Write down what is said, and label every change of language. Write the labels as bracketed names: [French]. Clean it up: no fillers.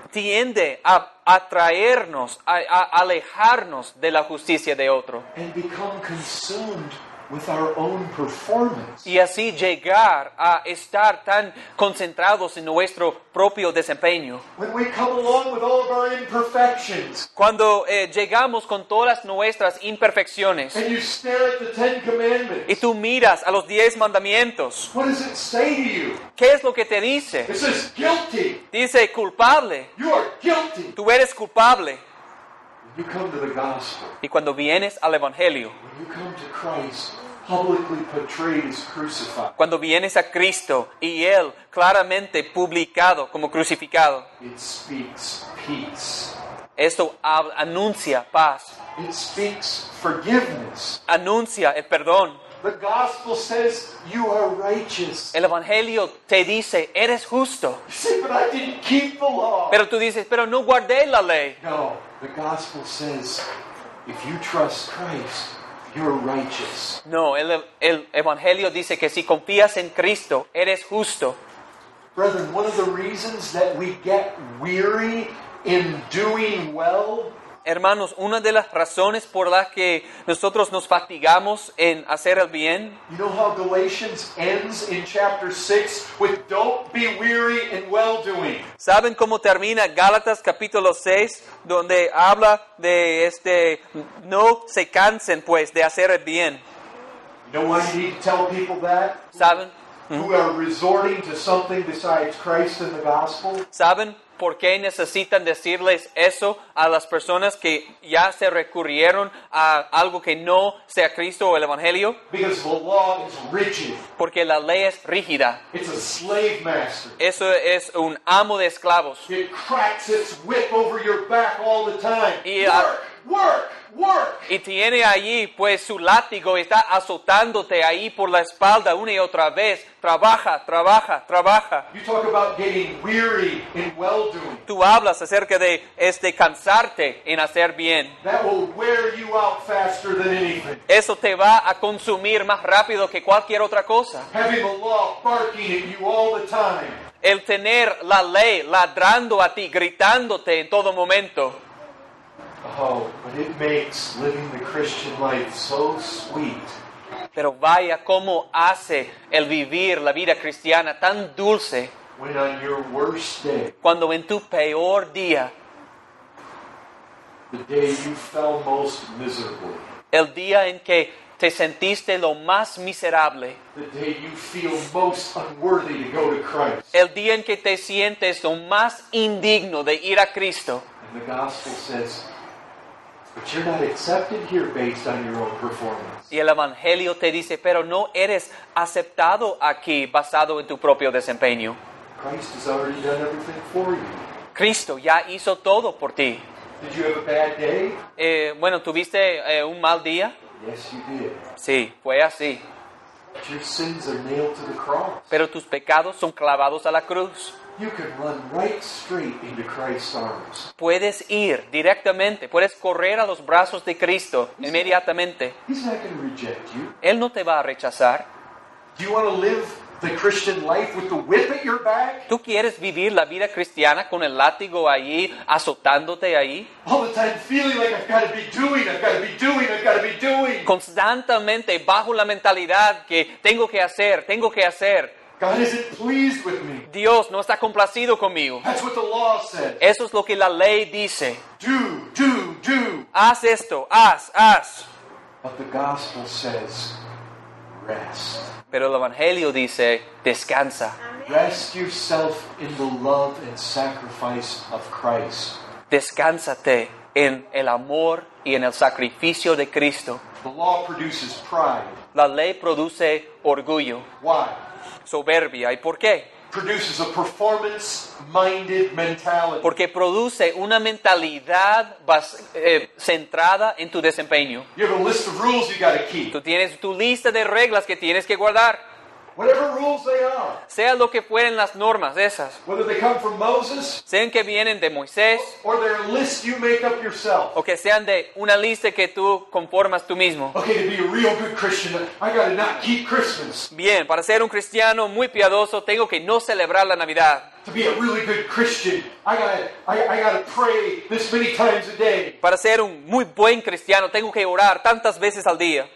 [Spanish] Tiende a atraernos, a alejarnos de la justicia de otro. [English] And become consumed with our own performance. [Spanish] Y así llegar a estar tan concentrados en nuestro propio desempeño. [English] When we come along with all of our imperfections. [Spanish] Cuando llegamos con todas nuestras imperfecciones. [English] And you stare at the Ten Commandments. [Spanish] Y tú miras a los 10 mandamientos. [English] What does it say to you? [Spanish] ¿Qué es lo que te dice? [English] It says guilty. [Spanish] Dice culpable. [English] You are guilty. [Spanish] Tú eres culpable. [English] You come to the gospel. [Spanish] Y cuando vienes al evangelio. [English] When you come to Christ, publicly portrayed as crucified. [Spanish] Cuando vienes a Cristo y él claramente publicado como crucificado. [English] It speaks peace. [Spanish] Esto anuncia paz. [English] It speaks forgiveness. [Spanish] Anuncia el perdón. [English] The gospel says you are righteous. [Spanish] El evangelio te dice eres justo. [English] You say, but I didn't keep the law. [Spanish] Pero tú dices, pero no guardé la ley. [English] No. The gospel says, if you trust Christ, you're righteous. [Spanish] No, el evangelio dice que si confías en Cristo, eres justo. [English] Brethren, one of the reasons that we get weary in doing well. [Spanish] Hermanos, una de las razones por las que nosotros nos fatigamos en hacer el bien. [English] You know how Galatians ends in chapter 6 with don't be weary in well doing. [Spanish] ¿Saben cómo termina Gálatas capítulo 6 donde habla de no se cansen pues de hacer el bien? [English] You know why you need to tell people that? [Spanish] ¿Saben? [English] Who are resorting to something besides Christ and the gospel? [Spanish] ¿Saben? ¿Por qué necesitan decirles eso a las personas que ya se recurrieron a algo que no sea Cristo o el Evangelio? [English] Because the law is rigid. [Spanish] Porque la ley es rígida. [English] It's a slave master. [Spanish] Eso es un amo de esclavos. [English] It cracks its whip over your back all the time. Y work! [Spanish] Y tiene allí pues su látigo y está azotándote ahí por la espalda una y otra vez. Trabaja, trabaja, trabaja. [English] You talk about getting weary in well-doing. [Spanish] Tú hablas acerca de cansarte en hacer bien. [English] That will wear you out faster than anything. [Spanish] Eso te va a consumir más rápido que cualquier otra cosa. [English] Having the law barking at you all the time. [Spanish] El tener la ley ladrando a ti, gritándote en todo momento. [English] Oh, but it makes living the Christian life so sweet. [Spanish] Pero vaya cómo hace el vivir la vida cristiana tan dulce. [English] When on your worst day. [Spanish] Cuando en tu peor día. [English] The day you fell most miserably. [Spanish] El día en que te sentiste lo más miserable. [English] The day you feel most unworthy to go to Christ. [Spanish] El día en que te sientes lo más indigno de ir a Cristo. [English] And the gospel says, but you're not accepted here based on your own performance. [Spanish] Y el evangelio te dice, pero no eres aceptado aquí basado en tu propio desempeño. [English] Christ has already done everything for you. [Spanish] Cristo ya hizo todo por ti. [English] Did you have a bad day? [Spanish] Bueno, ¿tuviste un mal día? [English] Yes, you did. [Spanish] Sí, fue así. [English] But your sins are nailed to the cross. [Spanish] Pero tus pecados son clavados a la cruz. [English] You can run right straight into Christ's arms. [Spanish] Puedes ir directamente, puedes correr a los brazos de Cristo inmediatamente. [English] He's not going to reject you. [Spanish] Él no te va a rechazar. [English] Do you want to live the Christian life with the whip at your back? [Spanish] ¿Tú quieres vivir la vida cristiana con el látigo ahí, azotándote ahí? [English] All the time feeling like I've got to be doing, I've got to be doing, I've got to be doing. [Spanish] Constantemente bajo la mentalidad que tengo que hacer, tengo que hacer. [English] God isn't pleased with me. [Spanish] Dios no está complacido conmigo. [English] That's what the law said. [Spanish] Eso es lo que la ley dice. [English] Do, do, do. [Spanish] Haz esto, haz, haz. [English] But the gospel says, rest. [Spanish] Pero el evangelio dice, descansa. [English] Amen. Rest yourself in the love and sacrifice of Christ. [Spanish] Descánzate en el amor y en el sacrificio de Cristo. [English] The law produces pride. [Spanish] La ley produce orgullo. [English] Why? [Spanish] Soberbia. ¿Y por qué? [English] Produces a performance-minded mentality. [Spanish] Porque produce una mentalidad centrada en tu desempeño. [English] You have a list of rules you gotta keep. [Spanish] Tú tienes tu lista de reglas que tienes que guardar. [English] Whatever rules they are. [Spanish] Sea lo que fueren las normas esas. [English] Whether they come from Moses. [Spanish] Sean que vienen de Moisés. [English] Or they're a list you make up yourself. [Spanish] O que sean de una lista que tú conformas tú mismo. [English] Okay, to be a real good Christian, I gotta not keep Christmas. [Spanish] Bien, para ser un cristiano muy piadoso, tengo que no celebrar la Navidad. [English] to be a really good Christian, I gotta pray this many times a day. [Spanish] Para ser un muy buen cristiano, tengo que orar tantas veces al día.